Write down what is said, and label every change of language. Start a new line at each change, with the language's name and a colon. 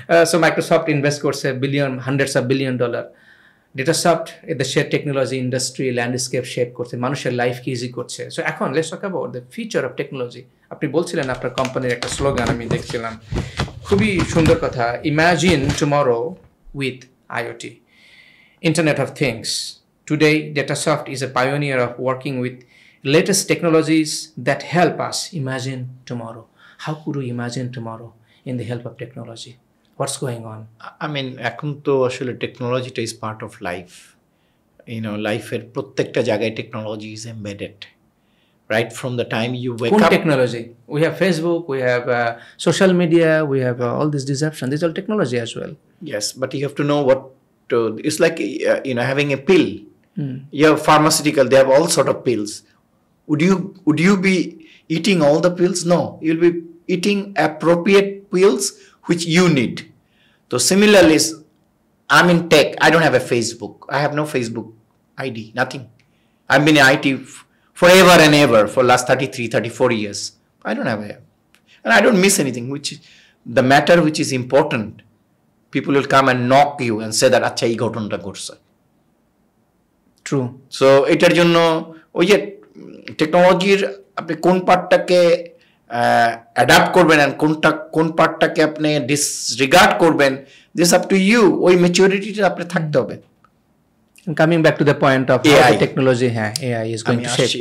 Bangla: So Microsoft invest করছে billion, hundreds of billion dollar. ডেটাসফট এ দেশের technology industry landscape shape করছে, মানুষের লাইফ কি ইজি করছে। সো এখন let's talk about the future of technology. আপনি বলছিলেন আপনার কোম্পানির একটা স্লোগান আমি দেখছিলাম, খুবই সুন্দর কথা, imagine tomorrow with IoT, internet of things.
English: Today, Datasoft is a pioneer of working with latest technologies that help us imagine tomorrow. How could we imagine tomorrow in the help of technology? What's going on? I mean,
Bangla: ekhon to ashole
English: technology is part of life. You know,
Bangla: life er prottekta jagay
English: technology is embedded. Right from the time you wake up.
Bangla: Kun technology?
English: We have Facebook, we have social media, we have all this deception. This is all technology as well. Yes, but you have to know what to... It's like, you know, having a pill. Yeah, pharmaceutical, they have all sort of pills. Would you be eating all the pills? No, you'll be eating appropriate pills which you need. So similarly, I'm in tech, I don't have a Facebook, I have no Facebook ID, nothing. I've been in IT forever and ever, for last 33-34 years. I don't have a, and I don't miss anything, which the matter which is important, people will come and knock you and say that
Bangla: achha ei ghotonta ghotche.
English: True.
Bangla: So এটার জন্য ওই যে টেকনোলজির আপনি কোন পার্টটাকে adapt করবেন and কোনটা কোন পার্টটাকে আপনি ডিসরিগার্ড করবেন,
English: This up to you.
Bangla: ওই ম্যাচিউরিটিটা আপনি থাকতে হবে।
English: coming back to the point of AI technology, হ্যাঁ AI is going to shape